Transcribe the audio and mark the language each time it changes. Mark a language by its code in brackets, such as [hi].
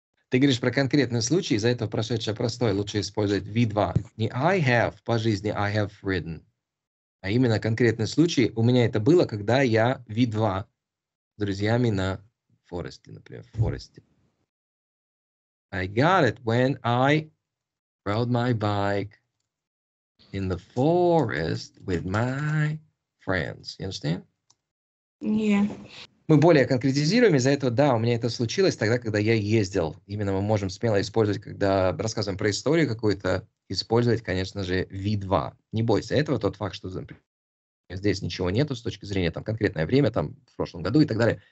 [ru] Ты говоришь про конкретный случай, из-за этого прошедшее простое лучше использовать V2. Не [en] I have [ru] по жизни, [en] I have ridden. [ru] А именно конкретный случай у меня это было, когда я V2 с друзьями на форесте, например, в форесте. [en] I got it when I rode my bike in the forest with my friends. You understand? Yeah. [ru] Мы более конкретизируем из-за этого, да, у меня это случилось тогда, когда я ездил. Именно мы можем смело использовать, когда рассказываем про историю какую-то, использовать, конечно же, V2. Не бойся этого, тот факт, что здесь ничего нету с точки зрения там конкретное время, там в прошлом году и так далее.